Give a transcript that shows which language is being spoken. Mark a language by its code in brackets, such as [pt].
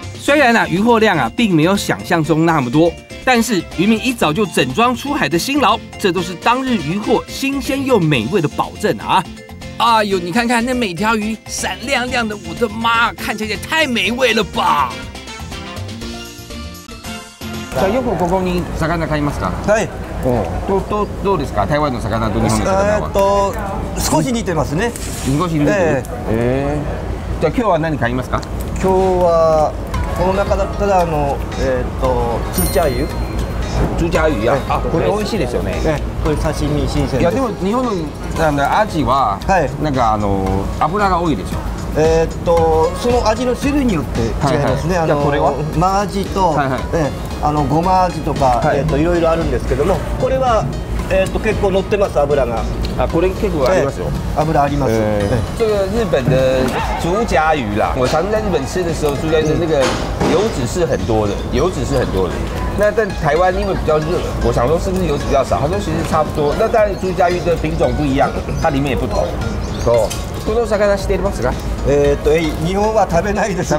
[zh] 虽然啊，鱼货量啊并没有想象中那么多。但是渔民一早就整装出海的辛劳，这都是当日渔获新鲜又美味的保证啊！哎呦，你看看那每条鱼闪亮亮的，我的妈，看起来也太美味了吧！ [ja] じゃあよくここに魚買いますか？はい。お、どうですか？台湾の魚と日本の魚は？少し似てますね。少し似てる。じゃあ今日は何買いますか？今日は。この中だったらあの竹夹鱼、竹夹鱼や、あこれ美味しいですよね。これ刺身新鮮です。いやでも日本のなんだアジは、はい、なんかあの油が多いでしょ。その味の種類によって違いますね。はいい、あのこれはマアジと、はいはい、あのゴマアジとか、はい、いろいろあるんですけども、これは結構乗ってます油が。啊，これ結構ありますよ。油あります。 [zh] 这个日本的竹夹鱼啦，我常在日本吃的时候，竹夹鱼那个油脂是很多的，油脂是很多的。那但台湾因为比较热，我想说是不是油脂比较少？他说其实差不多。那当然竹夹鱼的品种不一样，它里面也不同。 [ja] そう。この魚知ってますか？日本は食べないですね。